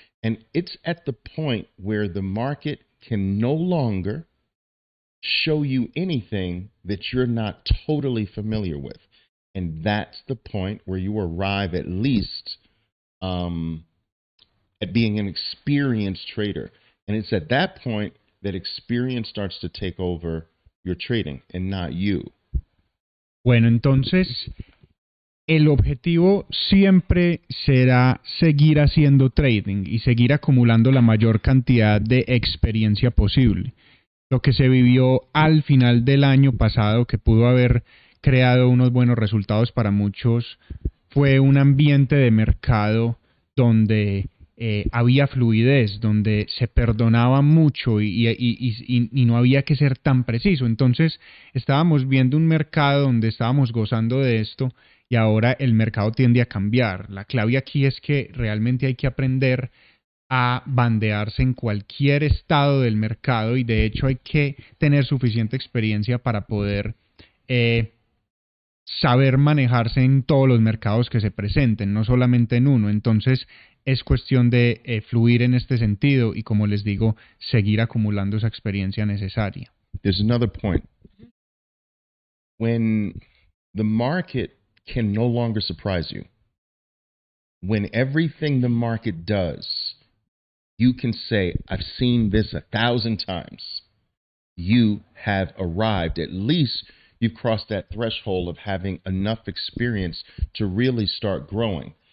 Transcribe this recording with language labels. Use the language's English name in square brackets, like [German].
[English] And it's at the point where the market can no longer show you anything that you're not totally familiar with. And that's the point where you arrive at least at being an experienced trader. And it's at that point that experience starts to take over your trading and not you. [Spanish] Bueno, entonces, el objetivo siempre será seguir haciendo trading y seguir acumulando la mayor cantidad de experiencia posible. Lo que se vivió al final del año pasado, que pudo haber creado unos buenos resultados para muchos, fue un ambiente de mercado donde había fluidez, donde se perdonaba mucho y no había que ser tan preciso. Entonces, estábamos viendo un mercado donde estábamos gozando de esto y ahora el mercado tiende a cambiar. La clave aquí es que realmente hay que aprender a bandearse en cualquier estado del mercado y de hecho hay que tener suficiente experiencia para poder saber manejarse en todos los mercados que se presenten, no solamente en uno. Entonces es cuestión de fluir en este sentido y, como les digo, seguir acumulando esa experiencia necesaria. [English] There's another point. When the market can no longer surprise you, when everything the market does, you can say, I've seen this 1,000 times. You have arrived. At least you've crossed that threshold of having enough experience to really start growing.